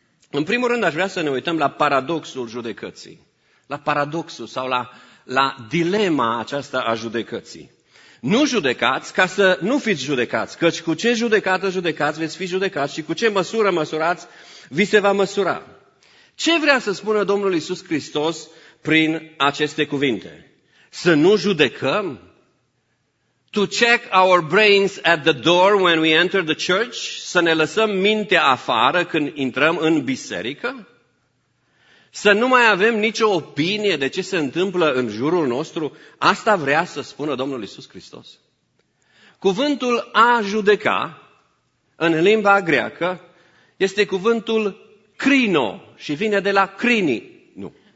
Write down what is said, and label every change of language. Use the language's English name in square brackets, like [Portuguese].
[Romanian] În primul rând aș vrea să ne uităm la paradoxul judecății, la paradoxul sau la dilema aceasta a judecății. Nu judecați ca să nu fiți judecați, căci cu ce judecată judecați veți fi judecați și cu ce măsură măsurați vi se va măsura. Ce vrea să spună Domnul Iisus Hristos prin aceste cuvinte? Să nu judecăm? [English] To check our brains at the door when we enter the church? [Romanian] Să ne lăsăm mintea afară când intrăm în biserică? Să nu mai avem nicio opinie de ce se întâmplă în jurul nostru? Asta vrea să spună Domnul Iisus Hristos. Cuvântul a judeca, în limba greacă, este cuvântul crino și vine de la crini. Nu.